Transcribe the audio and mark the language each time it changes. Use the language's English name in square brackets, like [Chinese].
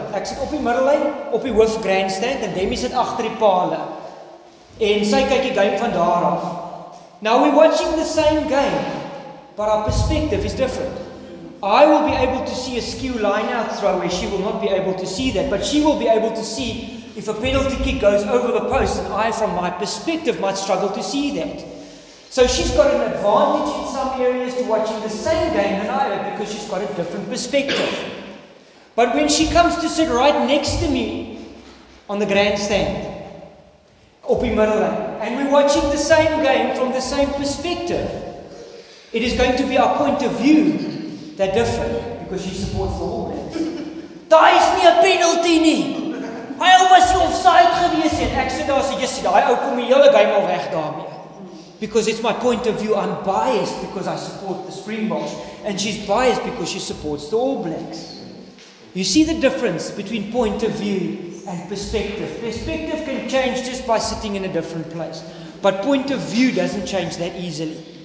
[Afrikaans] Ek sit op die middellyn, op die hoof grandstand, en Demi sit agter die pale. En sy kyk die game van daar af. [English] Now we're watching the same game, but our perspective is different. I will be able to see a skew line-out throw where she will not be able to see that, but she will be able to see if a penalty kick goes over the post, and I, from my perspective, might struggle to see that. So she's got an advantage in some areas to watching the same game than I have because she's got a different perspective. But when she comes to sit right next to me on the grandstand, [Afrikaans] op die middellyn, [English] and we're watching the same game from the same perspective, it is going to be our point of view that differ because she supports the All Blacks. [Afrikaans] Daai is nie 'n penalty nie. Hy was offside gewees het. Ek sê daar's 'n jissie, daai ou kom die hele game al weg daarmee. [English] because it's my point of view. I'm biased because I support the Springboks, and she's biased because she supports the All Blacks. You see the difference between point of view and perspective. Perspective can change just by sitting in a different place, but point of view doesn't change that easily.